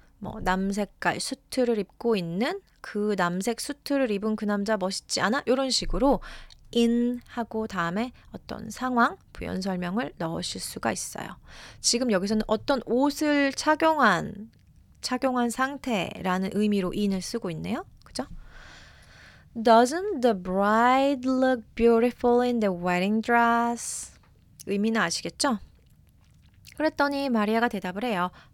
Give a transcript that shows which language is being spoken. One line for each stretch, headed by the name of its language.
Korean: 뭐 남색깔 수트를 입고 있는 그 남색 수트를 입은 그 남자 멋있지 않아? 이런 식으로 in 하고 다음에 어떤 상황, 부연 설명을 넣으실 수가 있어요. 지금 여기서는 어떤 옷을 착용한 상태라는 의미로 in을 쓰고 있네요. 그죠?
English: Doesn't the bride look beautiful in the wedding dress?
Korean: 의미는 아시겠죠? 그랬더니 마리아가 대답을 해요.